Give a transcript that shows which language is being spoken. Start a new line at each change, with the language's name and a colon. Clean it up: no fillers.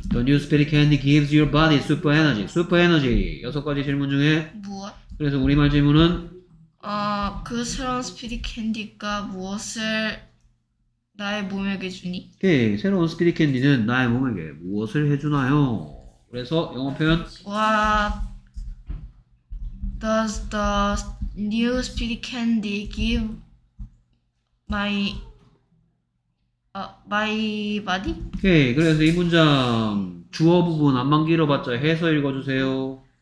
English: The new speedy candy gives your body super energy. Super energy.
Korean: 여섯 가지 질문 중에 무엇? 그래서 우리말 질문은 그 새로운 스피디 캔디가 무엇을 나의 몸에게 주니? 오케이. 새로운 스피디 캔디는 나의 몸에게 무엇을 해주나요? 그래서 영어 표현
English: What does the new speedy candy give my body?
Korean: 오케이. 그래서 이 문장 주어 부분 안만 길어봤자 해서 읽어주세요.